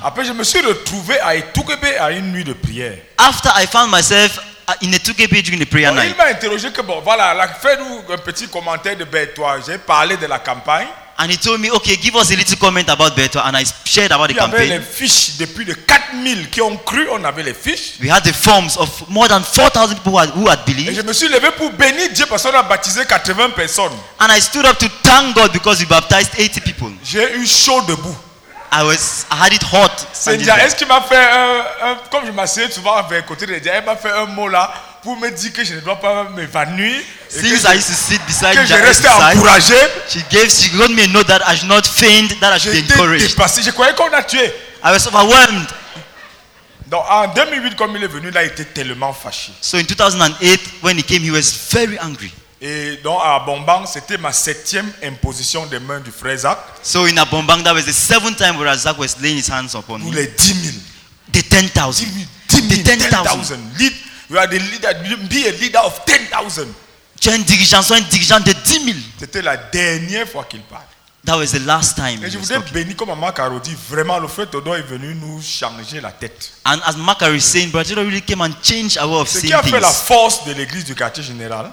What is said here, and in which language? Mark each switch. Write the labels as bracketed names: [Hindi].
[French] Après je me suis retrouvé à Etoukébé à une nuit de prière. [English] After I found myself in a Etoukébé during the prayer night. [French] Il m'a interrogé que bon, voilà, like, fais-nous un petit commentaire de Betwa. J'ai parlé de la campagne. [English] And he told me, okay, give us a little comment about Betwa. And I shared about the campaign. [French] Il y avait les fiches de plus de 4,000 qui ont cru. On avait les fiches. [English] We had the forms of more than 4,000 people who had believed. [French] Et je me suis levé pour bénir Dieu parce qu'on a baptisé 80 personnes. [English] And I stood up to thank God because we baptized 80 people. [French] J'ai eu chaud debout. [English] I had it hot. [French] Seigneur, est-ce qu'il m'a fait comme je m'assieds souvent vers côté de Dieu, il m'a fait un mot là pour me dire que je ne dois pas m'évanouir. [English] Since I used to sit beside [French] Jaël, que je restais encouragé. [English] She got me a note that I should not faint, that I should be encouraged. [French] J'étais dépassé. Je croyais qu'on a tué. [English] I was overwhelmed. [French] Donc en 2008, comme il est venu là, il était tellement fâché. [English] So in 2008, when he came, he was very angry. [French] Et donc à Abombang, c'était ma septième imposition des mains du frère Zach. [English] So in Abombang, that was the seventh time where Zach was laying his hands upon me. [French] Pour les 10 000. [English] The 10,000. 10,000. Lead, we are the leader, be a leader of 10,000. [French] Tu es un dirigeant, sois un dirigeant de 10 000. C'était la dernière fois qu'il parle. [English] That was the last time. [French] Et je voudrais bénir comme Maman Caro dit, vraiment le frère Todo est venu nous changer la tête. [English] And as Maman Caro is saying, Brother Todo really came and changed our way of seeing things. [French] Ce qui a fait la force de l'église du quartier général.